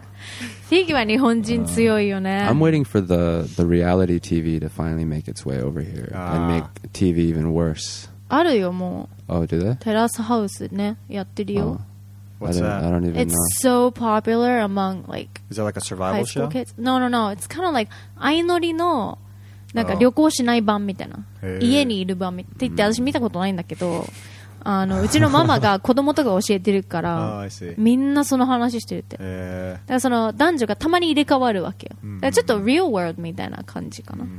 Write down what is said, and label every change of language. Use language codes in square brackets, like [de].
[ja] 撤回します。ちょっとカットして。フィギュア日本人強いよね。 [en] I'm waiting for the reality TV to finally make its way over here and make TV even worse. [ja] あるよ、もう。テラスハウスね、やってるよ。 [en] What's that? I don't even know. It's so popular among like Is that like a survival show? Kids? No. It's kind of like [ja] 愛乗りのなんか旅行しない版みたいな。家にいる版って言って、私見たことないんだけど、あの、うちのママが子供とか教えてるから みんなその話してるって。だからその男女がたまに入れ替わるわけよ。だからちょっとreal worldみたいな感じかな。